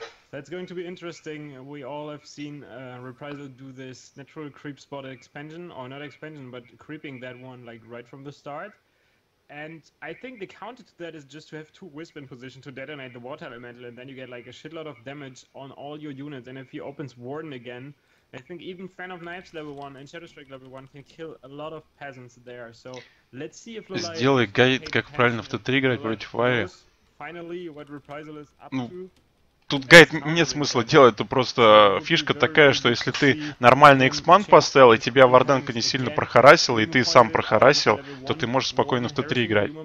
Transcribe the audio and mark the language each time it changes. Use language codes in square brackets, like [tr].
[en] That's going to be interesting. We all have seen Reprisal do this natural creep spot expansion, or not expansion, but creeping that one like right from the start. And I think the counter to that is just to have two Wisp in position to detonate the Water Elemental, and then you get like a shitload of damage on all your units. And if he opens Warden again, I think even Fan of Knives level 1 and Shadowstrike level 1 can kill a lot of peasants there. So let's see if Lolai. [ru] Сделай гайд, как правильно в Т3 играть против Вайи. [en] Finally, what Reprisal is up to. [ru] Тут гайд нет смысла делать, то просто фишка такая, что если ты нормальный экспанд поставил, и тебя варденка не сильно прохарасил, и ты сам прохарасил, то ты можешь спокойно в Т3 играть.